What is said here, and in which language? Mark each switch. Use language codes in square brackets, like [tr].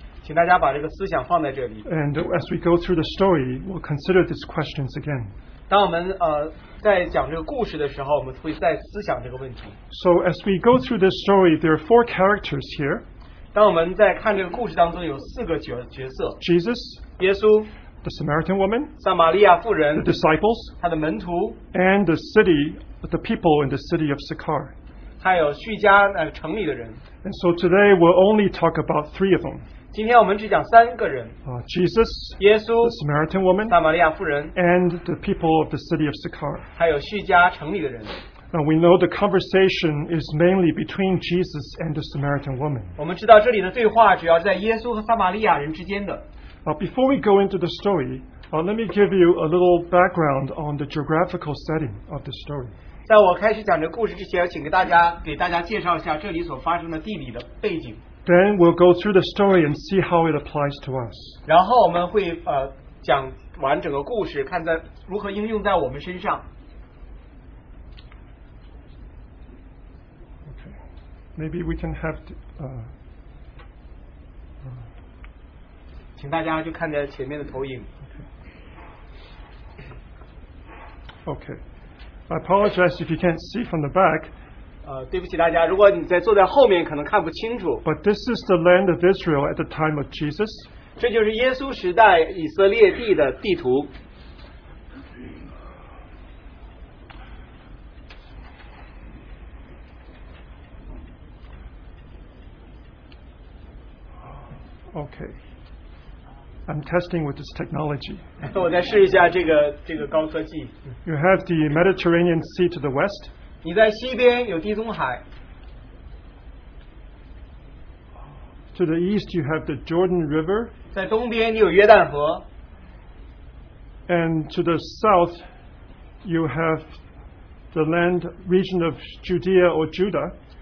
[en] And as we go through the story, we'll consider these questions again. [zh] 当我们在讲这个故事的时候，我们会再思想这个问题。 [en] So as we go through this story, there are four characters here. [zh] 当我们在看这个故事当中，有四个角色。 [en] Jesus, [zh] 耶稣。 [en] The Samaritan woman, [zh] 撒玛利亚妇人。 [en] The disciples, [zh] 他的门徒。 [en] And the city, the people in the city of Sychar. [zh] 还有叙加城里的人。 [en] And so today we'll only talk about three of them. [zh] 今天我们只讲三个人 [en] Jesus, [zh] 耶稣 [en] the Samaritan woman, [zh] 撒玛利亚妇人 [en] and the people of the city of Sychar. [zh] 还有叙加城里的人 [en] Now we know the conversation is mainly between Jesus and the Samaritan woman. [zh] 我们知道这里的对话主要是在耶稣和撒玛利亚人之间的 [en] Before we go into the story, let me give you a little background on the geographical setting of the story. [zh] 在我开始讲这故事之前请给大家介绍一下这里所发生的地理的背景 [en] Then we'll go through the story and see how it applies to us. [zh] 然后我们会讲完整个故事，看在如何应用在我们身上。 [en] Okay, maybe we can have [zh] 请大家就看在前面的投影。 [en] Okay, I apologize if you can't see from the back. [zh] 对不起大家，如果你在坐在后面，可能看不清楚。 [en] But this is the land of Israel at the time of Jesus. [zh] 这就是耶稣时代以色列地的地图。 [en] Okay, I'm testing with this technology. [zh] 我再试一下这个高科技。 [en] You have the Mediterranean Sea to the west. [zh] 你在西边有地中海。 [en] To the east, you have the Jordan River. [zh] 在东边你有约旦河。 [en] And to the south, you have the land region of Judea or Judah.